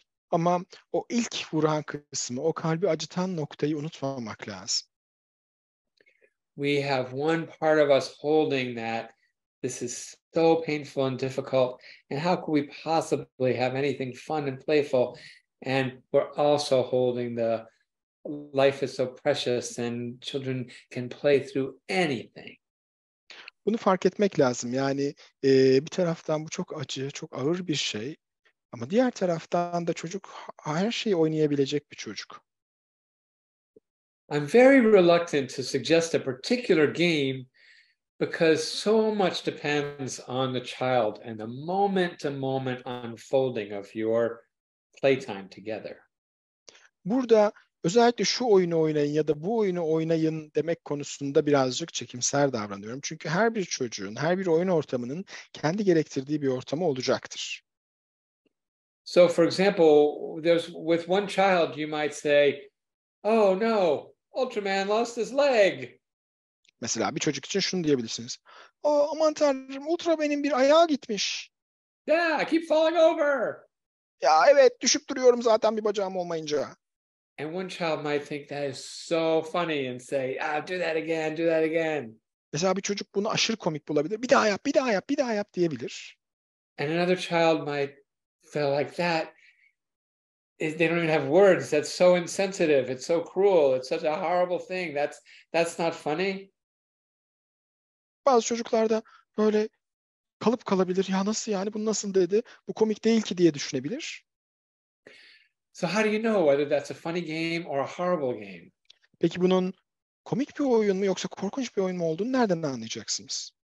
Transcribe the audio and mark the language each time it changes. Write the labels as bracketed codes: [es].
[tr] Ama o ilk vuran kısmı, o kalbi acıtan noktayı unutmamak lazım. [en] We have one part of us holding that this is so painful and difficult and how could we possibly have anything fun and playful, and we're also holding the life is so precious and children can play through anything. [tr] Bunu fark etmek lazım. Yani bir taraftan bu çok acı, çok ağır bir şey ama diğer taraftan da çocuk her şeyi oynayabilecek bir çocuk. [en] I'm very reluctant to suggest a particular game because so much depends on the child and the moment-to-moment unfolding of your playtime together. [tr] Burada özellikle şu oyunu oynayın ya da bu oyunu oynayın demek konusunda birazcık çekimser davranıyorum. Çünkü her bir çocuğun, her bir oyun ortamının kendi gerektirdiği bir ortamı olacaktır. [en] So for example, there's with one child you might say, "Oh no, Ultraman lost his leg." [tr] Mesela bir çocuk için şunu diyebilirsiniz. Aman tanrım, Ultraman'in bir ayağı gitmiş. [en] Yeah, I keep falling over. [tr] Ya evet, düşüp duruyorum zaten bir bacağım olmayınca. [en] And one child might think that is so funny and say, do that again, do that again. [tr] Mesela bir çocuk bunu aşırı komik bulabilir. Bir daha yap, bir daha yap, bir daha yap diyebilir. [en] And another child might feel like that. They don't even have words. That's so insensitive. It's so cruel. It's such a horrible thing. That's not funny. [tr] Bazı çocuklarda böyle kalıp kalabilir. Ya nasıl yani? Bu nasıl dedi? Bu komik değil ki diye düşünebilir. [en] So how do you know whether that's a funny game or a horrible game? [tr] Peki bunun komik bir oyun mu yoksa korkunç bir oyun mu olduğunu nereden anlayacaksınız?